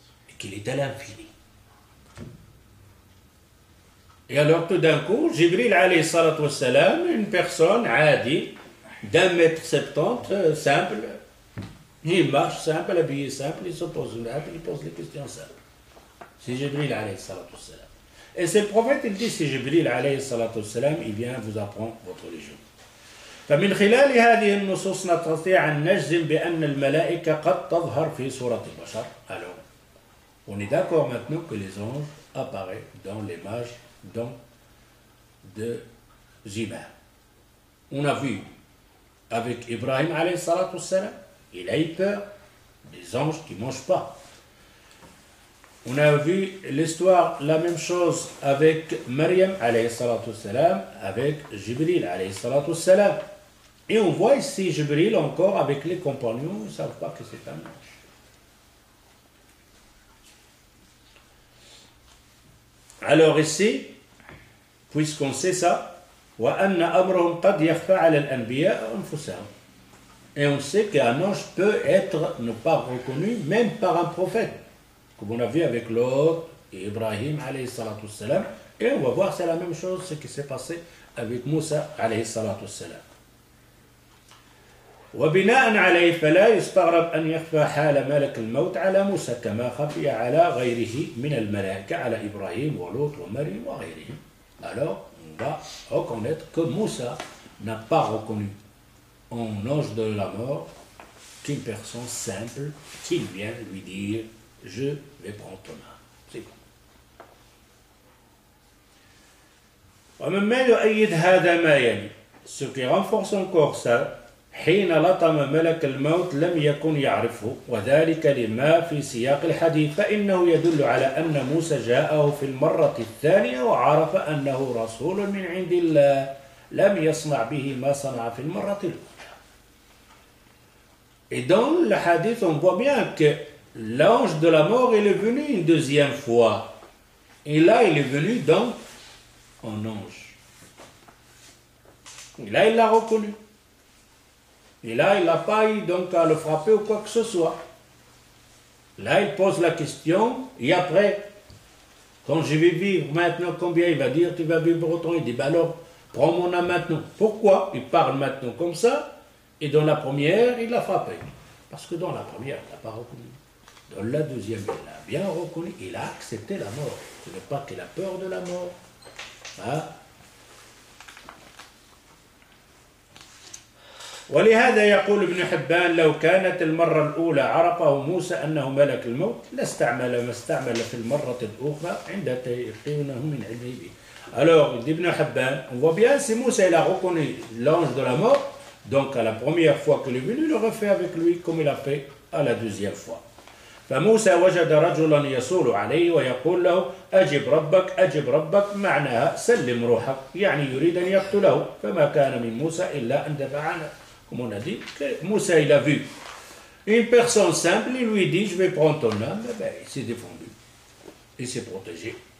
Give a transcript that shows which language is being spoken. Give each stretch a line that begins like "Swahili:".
French: et qu'il est à l'infini et alors tout d'un coup Jibril
Arabic: عليه الصلاة والسلام
French: une personne عادي d'un mètre septante, simple, il marche simple, habillé simple, il se pose une lettre, il pose les questions simples. C'est Jibril alayhi salatu salam. Et c'est le prophète, il dit, c'est Jibril alayhi salatu salam, il vient vous apprendre votre religion.
Arabic: فمن خلال هذه النصوص نستطيع أن نجزم بأن الملائكة قد تظهر في سورة البشر.
French: Alors, on est d'accord maintenant que les anges apparaissent dans l'image, dans de humains. On a vu avec Ibrahim alayhi salatu wassalam, il a eu peur des anges qui ne mangent pas. On a vu l'histoire, la même chose avec Maryam alayhi salatu wassalam, avec Jibril alayhi salatu wassalam. Et on voit ici Jibril encore avec les compagnons, ils ne savent pas que c'est un ange. Alors ici, puisqu'on sait ça,
Arabic: وأن أمرهم قد يخفى على الأنبياء أنفسهم.
French: Et on sait qu'un ange peut être ne pas reconnu même par un prophète. Comme on a vu avec Lot et Ibrahim
Arabic: عليه الصلاة والسلام.
French: Et on va voir c'est la même chose ce qui s'est passé avec Moussa
Arabic: عليه الصلاة والسلام. وبناء عليه فلا يستغرب أن يخفى حال ملك الموت على موسى كما خفي على غيره من الملائكة على إبراهيم ولوط ومريم وغيرهم.
French: Alors, va reconnaître que Moussa n'a pas reconnu en ange de la mort qu'une personne simple qui vient lui dire « Je vais prendre ton âme. » C'est bon.
Arabic: ومما يؤيد هذا ما يلي،
French: ce qui renforce encore ça,
Arabic: حين لطم ملك الموت لم يكن يعرفه، وذلك لما في سياق الحديث، فإنه يدل على أن موسى جاءه في المرة الثانية وعرف أنه رسول من عند الله، لم يصنع به ما صنع في المرة الأولى.
French: Et dans le hadith, on voit bien que l'ange de la mort est venu une deuxième fois. Et là, il est venu donc en ange. Et là, il l'a reconnu. Et là, il n'a pas eu donc à le frapper ou quoi que ce soit. Là, il pose la question. Et après, quand je vais vivre maintenant, combien il va dire, tu vas vivre autant. Il dit, ben alors, prends mon âme maintenant. Pourquoi il parle maintenant comme ça? Et dans la première, il l'a frappé. Parce que dans la première, il n'a pas reconnu. Dans la deuxième, il l'a bien reconnu. Il a accepté la mort. Ce n'est pas qu'il a peur de la mort. Hein?
Arabic: ولهذا يقول ابن حبان لو كانت المرة الأولى عرفه موسى أنه ملك الموت لاستعمل ما استعمل في المرة الأخرى عند تيقنه من علمه به.
French: Alors ابن حبان on voit bien si Moussa il a reconnu l'ange de la mort donc à la première fois qu'il est venu il aurait fait avec lui comme il a fait à la deuxième fois.
Arabic: فموسى وجد رجلا يصول عليه ويقول له أجب ربك أجب ربك معناها سلم روحك يعني يريد أن يقتله فما كان من موسى إلا أن دفع عنه.
French: Comme on a dit, que Moussa il a vu une personne simple, il lui dit, je vais prendre ton âme, et bien, il s'est défendu, il s'est protégé.